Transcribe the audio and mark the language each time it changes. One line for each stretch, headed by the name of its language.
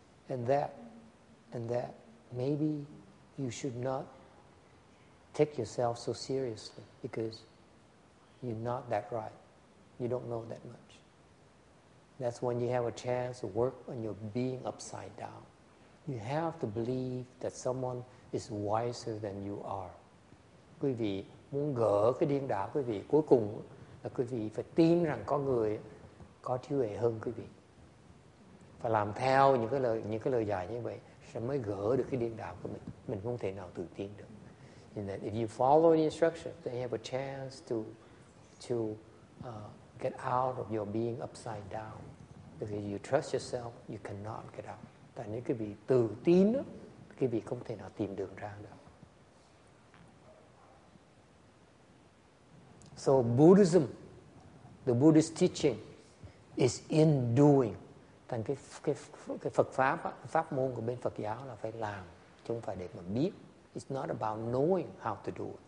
English: And that, maybe you should not take yourself so seriously because you're not that right. You don't know that much. That's when you have a chance to work on your being upside down. You have to believe that someone is wiser than you are.
Vietnamese: Quý vị muốn gỡ cái điên đảo quý vị, cuối cùng là quý vị phải tin rằng có người có trí huệ hơn quý vị. Phải làm theo những cái lời dạy như vậy sẽ mới gỡ được cái điên đảo của mình. Mình không thể nào tự tin được.
English: And then if you follow the instructions, then you have a chance to get out of your being upside down. Because you trust yourself, you cannot get out.
Vietnamese: Tại nếu quý vị tự tin, quý vị không thể nào tìm đường ra được.
English: So Buddhism, the Buddhist teaching, is in doing.
Vietnamese: Thành cái Phật pháp, pháp môn của bên Phật giáo là phải làm, chứ không phải để mà biết.
English: It's not about knowing how to do it.